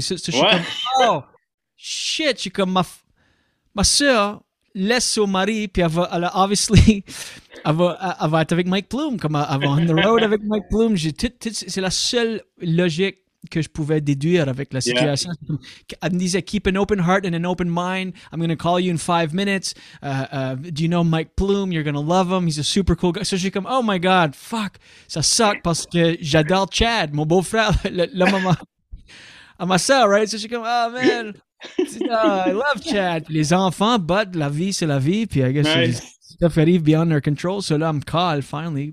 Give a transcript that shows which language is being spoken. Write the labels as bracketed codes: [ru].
[fr] So, je suis comme, [en] oh, shit, [fr] je suis comme, ma soeur laisse son mari, puis elle va, [en] obviously, [fr] elle va être avec Mike Plume, comme elle va [en] on the road [fr] avec Mike Plume. C'est la seule logique que je pouvais déduire avec la situation. [en] Yeah. [fr] Elle me disait, [en] keep an open heart and an open mind, I'm going to call you in 5 minutes, do you know Mike Plume, you're going to love him, he's a super cool guy. [fr] So je suis comme, [en] oh my god, fuck, [fr] ça suck parce que j'adore Chad, mon beau frère, le maman, à ma soeur, [en] right? So [fr] je suis comme, [en] oh man, I love Chad. [fr] Les enfants, [en] but [fr] la vie, c'est la vie, puis [en] I guess stuff arrive beyond their control, so là, I'm called, finally.